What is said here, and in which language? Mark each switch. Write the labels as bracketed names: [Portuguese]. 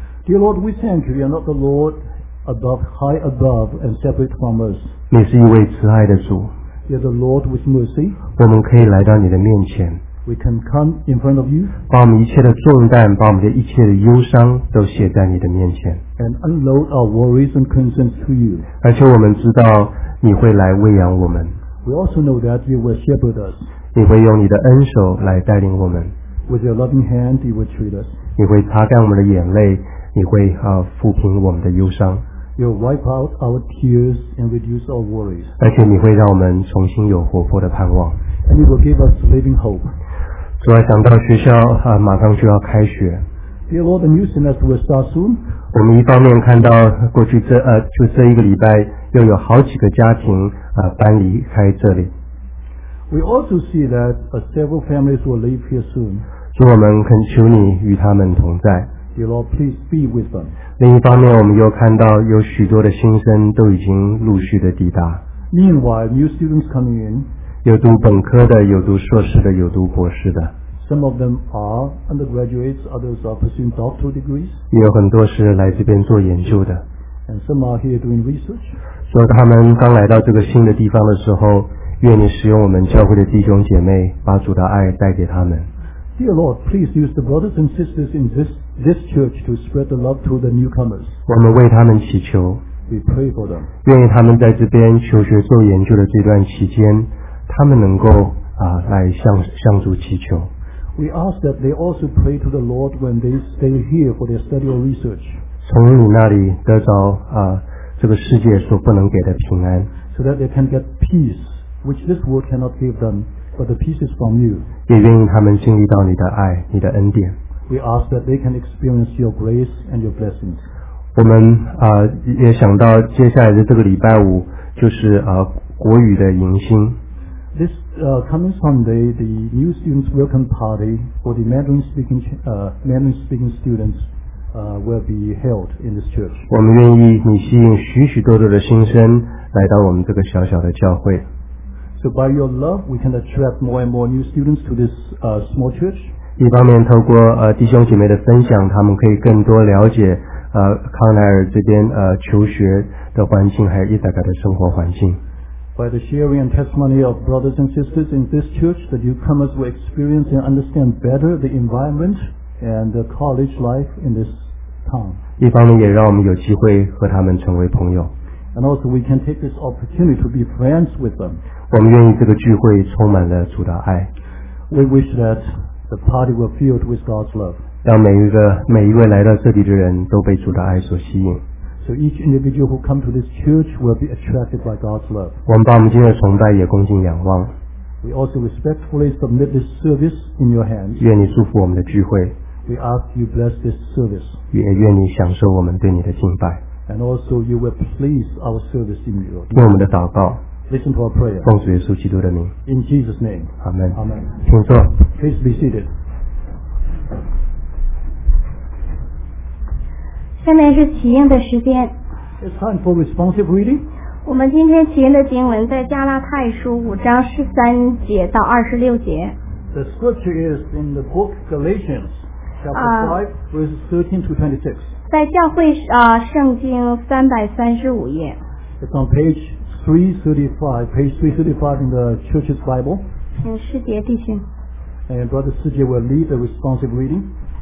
[English] Dear Lord, we thank you. You are not the Lord above, high above, and separate from us. [Chinese] 你是一位慈爱的主。 [English] You are the Lord with mercy. [Chinese] 我们可以来到你的面前。 [English] We can come in front of you. [Chinese] 把我们一切的重担，把我们的一切的忧伤，都卸在你的面前。 [English] And unload our worries and concerns to you. [Chinese] 而且我们知道你会来喂养我们。 [English] We also know that you will shepherd us. [Chinese] 你会用你的恩手来带领我们。 [English] With your loving hand, you will treat us. [Chinese] 你会擦干我们的眼泪，你会抚平我们的忧伤。 [English] You will wipe out our tears and reduce our worries. [Chinese] 而且你会让我们重新有活泼的盼望。 [English] And you will give us living hope. [Chinese] 主啊，想到学校马上就要开学。 [English] Dear Lord, the new semester will start soon. [Chinese] 我们一方面看到过去就这一个礼拜。又有好几个家庭搬离开这里。 [English] We also see that several families will leave here soon. [Chinese] 主，我们恳求你与他们同在。 [English] Dear Lord, please be with them. [Chinese] 另一方面，我们又看到有许多的新生都已经陆续的抵达。 [English] Meanwhile, new students coming in. [Chinese] 有读本科的，有读硕士的，有读博士的。 [English] Some of them are undergraduates, others are pursuing doctoral degrees. [Chinese] 也有很多是来这边做研究的。 [English] And some are here doing research. [Chinese] 所以他们刚来到这个新的地方的时候，愿你使用我们教会的弟兄姐妹，把主的爱带给他们。 [English] Dear Lord, please use the brothers and sisters in this church to spread the love to the newcomers. [Chinese] 我们为他们祈求。 [English] We pray for them. [Chinese] 愿意他们在这边求学做研究的这段期间，他们能够来向主祈求。 [English] We ask that they also pray to the Lord when they stay here for their study or research. [Chinese] 从你那里得着这个世界所不能给的平安。 [English] So that they can get peace, which this world cannot give them, but the peace is from you. [Chinese] 也愿意他们经历到你的爱，你的恩典。 [English] We ask that they can experience your grace and your blessings. [Chinese] 我们也想到接下来的这个礼拜五就是国语的迎新。 [English] This coming Sunday, the new students welcome party for the Mandarin speaking students. Will be held in this church. [Chinese] 我们愿意你吸引许许多多的新生来到我们这个小小的教会。 [English] So by your love, we can attract more and more new students to this small church. [Chinese] 一方面透过弟兄姐妹的分享，他们可以更多了解康奈尔这边求学的环境，还有伊萨卡的生活环境。 [English] by the sharing and testimony of brothers and sisters in this church, the newcomers will experience and understand better the environment and the college life in this town. [Chinese] 一方面也让我们有机会和他们成为朋友。 [English] And also we can take this opportunity to be friends with them. [Chinese] 我们愿意这个聚会充满了主的爱。 [English] We wish that the party were filled with God's love. [Chinese] 让每一位来到这里的人都被主的爱所吸引。 [English] So each individual who come to this church will be attracted by God's love. [Chinese] 我们把我们今天的崇拜也恭敬仰望。 [English] We also respectfully submit this service in your hands. [Chinese] 愿你祝福我们的聚会。 [English] We ask you bless this service. [Chinese] 也愿你享受我们对你的敬拜。 [English] And also you will please our service in you. [Chinese] 听我们的祷告。 [English] Listen to our prayer. [Chinese] 奉主耶稣基督的名。 [English] In Jesus' name. Amen. Amen. [Chinese] 请坐。 [English] Please be seated. [Chinese] 下面是起应的时间。 [English] It's time for responsive reading. [Chinese] 我们今天起应的经文在加拉太书五章十三节到二十六节。 [English] The scripture is in the book Galatians, chapter 5, verses 13 to 26. [Chinese] 在教会圣经三百三十五页。 [English] It's on page 335, page 335 in the church's Bible. [Chinese] 请师姐弟兄。 [English] And brother 师姐 will lead the responsive reading.